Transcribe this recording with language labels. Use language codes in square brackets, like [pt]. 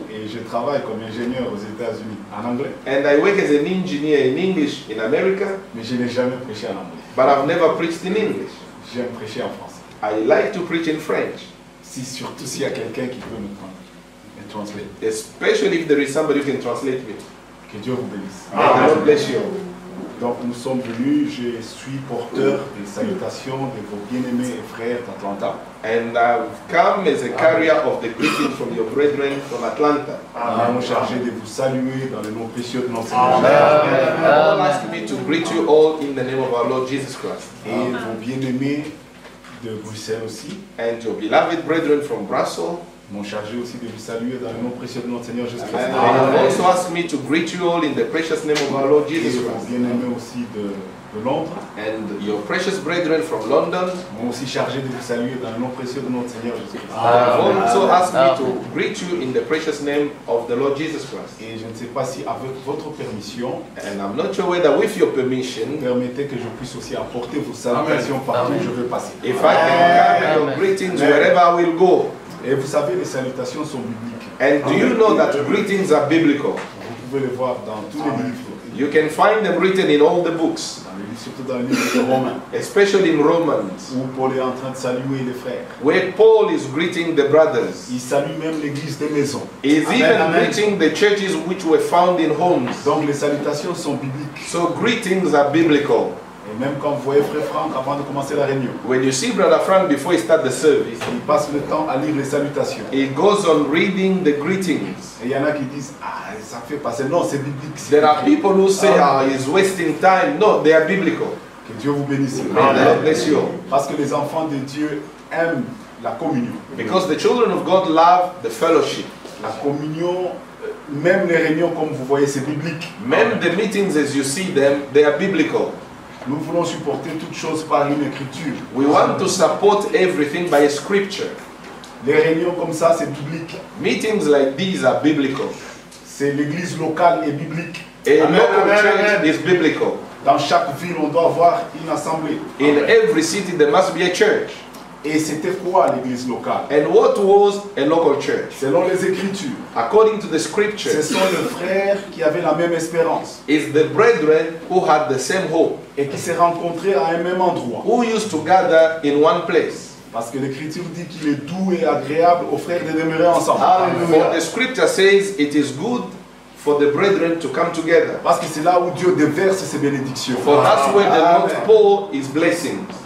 [fr] Et je travaille comme ingénieur aux États-Unis en anglais. [en] And I work as an engineer in English in America. [fr] Mais je n'ai jamais prêché en anglais. [en] But I've never preached in English. [fr] J'aime prêcher en français. [en] I like to preach in French. [fr] Si surtout s'il y a quelqu'un qui peut me prendre, [en] me translate. Especially if there is somebody who can translate me. [fr] Que Dieu vous bénisse. [en] May the Lord bless you. [fr] Donc nous sommes venus. Je suis porteur des salutations de vos bien-aimés et frères d'Atlanta. [en] And I've come as a carrier of the greeting from your brethren from Atlanta. Amen. [fr] Nous sommes chargés de vous saluer dans le nom précieux de notre Seigneur. Amen. [en] All ask me to greet you all in the name of our Lord Jesus Christ. [fr] Et vos bien-aimés de Bruxelles aussi. [en] And your beloved brethren from Brussels. [fr] M'ont chargé aussi de vous saluer dans le nom précieux de notre Seigneur Jésus Christ. [en] And they also asked me to greet you all in the precious name of our Lord Jesus Christ. [fr] Et vos bien-aimés aussi de Londres. [en] And your precious brethren from London. [fr] M'ont aussi chargé de vous saluer dans le nom précieux de notre Seigneur Jésus Christ. [en] They also asked me to greet you in the precious name of the Lord Jesus Christ. [fr] Et je ne sais pas si avec votre permission. [en] And I'm not sure whether with your permission. [fr] Permettez que je puisse aussi apporter vos salutations partout où je vais passer. [en] If I can carry your greetings wherever I will go. [fr] Et vous savez, les salutations sont bibliques. [en] And do you know that greetings are biblical? [fr] Vous pouvez les voir dans tous les livres. [en] You can find them written in all the books. [fr] Surtout dans les livres de Romains. [en] Especially in Romans. [fr] Où Paul est en train de saluer les frères. [en] Where Paul is greeting the brothers. [fr] Il salue même l'église des maisons. [en] He's even greeting the churches which were found in homes. [fr] Donc les salutations sont bibliques. [en] So greetings are biblical. [fr] Et même quand vous voyez frère Frank avant de commencer la réunion. [en] When you see brother Frank before he start the service, [fr] il passe le temps à lire les salutations. [en] He goes on reading the greetings. [fr] Et il y en a qui disent ah ça fait passer non c'est biblique. [en] There are people who say he's wasting time. No, they are biblical. [fr] Que Dieu vous bénisse. [en] Amen. Bless you. [fr] Parce que les enfants de Dieu aiment la communion. [en] Because the children of God love the fellowship. [fr] La communion. Même les réunions comme vous voyez c'est biblique. [en] Même the meetings as you see them, they are biblical. [fr] Nous voulons supporter toutes choses par une écriture. [en] We want to support everything by a scripture. [fr] Les réunions comme ça, c'est biblique. [en] Meetings like these are biblical. [fr] C'est l'église locale est biblique. [en] Et local church is biblical. [fr] Dans chaque ville, on doit avoir une assemblée. [en] In every city, there must be a church. [fr] Et c'était quoi l'église locale? [en] And what was a local church? [fr] Selon les écritures. [en] According to the scripture. [fr] Ce sont les frères qui avaient la même espérance. [en] It's the brethren who had the same hope. [fr] Et qui se rencontraient à un même endroit. [en] Who used to gather in one place. [fr] Parce que l'écriture dit qu'il est doux et agréable aux frères de demeurer ensemble. Hallelujah. [en] For the scripture says it is good for the brethren to come together. [fr] Parce que c'est là où Dieu déverse ses bénédictions. [en] For that's where the Lord pours his blessings.